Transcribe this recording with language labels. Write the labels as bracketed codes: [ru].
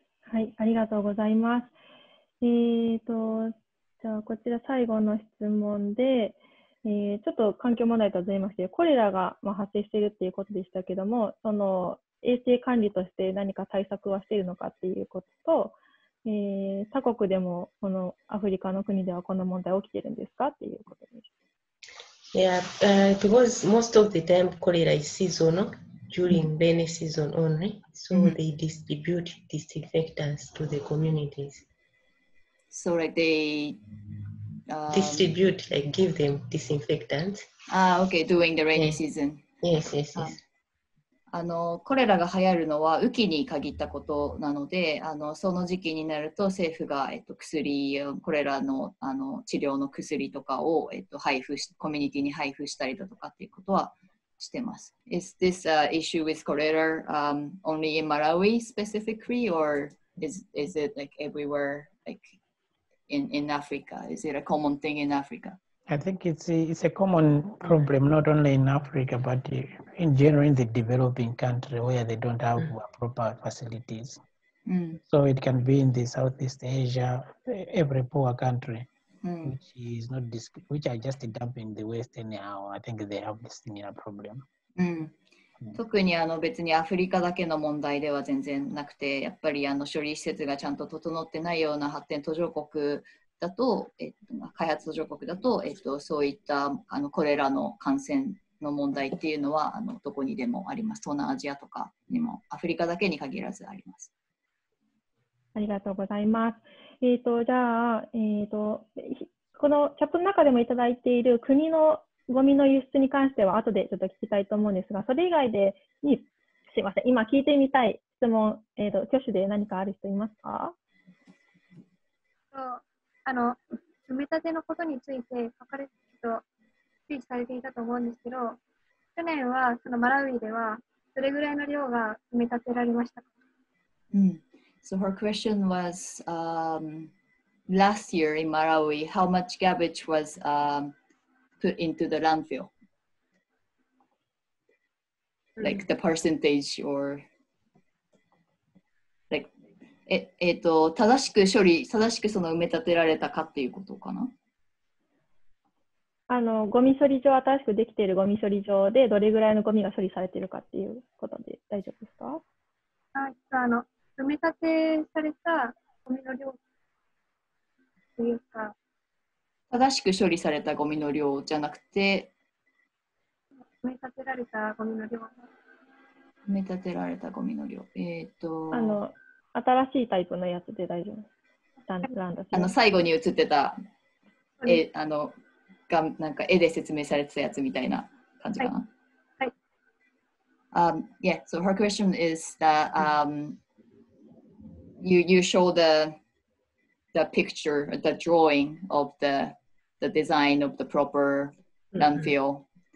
[ja] はい、ありがとうございます。じゃあこちら最後の質問で、ちょっと環境問題とは違いましてコレラが発生しているっていうことでしたけどもその衛生管理として何か対策はしているのかっていうことと、他国でもこのアフリカの国ではこの問題起きてるんですかっていうことです。 [en] Yeah, because most of the time cholera is seasonal during rainy season only, so they distribute disinfectants to the communities. So like they distribute, like give them disinfectants. Ah, okay, during the rainy season. Yes, yes, yes. [ja] あのコレラが流行るのは雨季に限ったことなのであのその時期になると政府が、薬コレラ の, あの治療の薬とかを、配布しコミュニティに配布したりだとかっていうことはしてます。 [en] Is this an issue with cholera only in Malawi specifically, or is it like everywhere, like in Africa? Is it a common thing in Africa? I think it's a common problem, not only in Africa, but in general in the developing country where they don't have proper facilities. Mm. So it can be in the Southeast Asia, every poor country, which is not which are just dumping the waste anyhow. I think they have this similar problem. [ja] うん、特にあの別にアフリカだけの問題では全然なくて、やっぱりあの処理施設がちゃんと整ってないような発展途上国だと、開発途上国だと、そういったあのコレラの感染の問題っていうのはあのどこにでもあります。東南アジアとかにもアフリカだけに限らずあります。ありがとうございます。じゃあ、このチャットの中でもいただいている国のゴミの輸出に関しては後でちょっと聞きたいと思うんですが、それ以外でに、すいません、今聞いてみたい質問、挙手で何かある人いますか？あの、埋め立てのことについて書かれて、注意されていたと思うんですけど、去年はそのマラウイではどれぐらいの量が埋め立てられましたか？ [en] So her question was, last year in Malawi, how much garbage was put into the landfill? Like the percentage or like, [ja] 正しく処理、正しくその埋め立てられたかっていうことかな？あの、ゴミ処理場、新しくできているゴミ処理場でどれぐらいのゴミが処理されているかっていうことで大丈夫ですか？埋め立てされたゴミの量というか、正しく処理されたゴミの量じゃなくて、埋め立てられたゴミの量、埋め立てられたゴミの量、あの新しいタイプのやつで大丈夫です。ランドあの最後に映ってた、あのがなんか絵で説明されてたやつみたいな感じかな。はい。 [en] はい、yeah, so her question is that、You show the picture, the drawing of the design of the proper landfill.